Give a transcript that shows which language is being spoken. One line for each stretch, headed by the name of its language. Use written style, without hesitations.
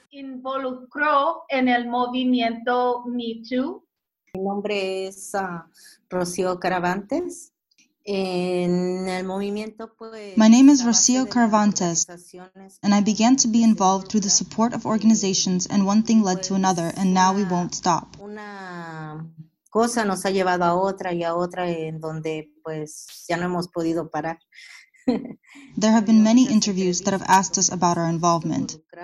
Spanish: Involucró en el movimiento Me Too. Mi nombre es Rocio Caravantes. En el movimiento, pues,
English: my name is Rocio Caravantes, and I began to be involved through the support of organizations, and one thing led to another, and now we won't stop.
Spanish: Una cosa nos ha llevado a otra, en donde pues ya no hemos podido parar.
English: There have been many interviews that have asked us about our involvement.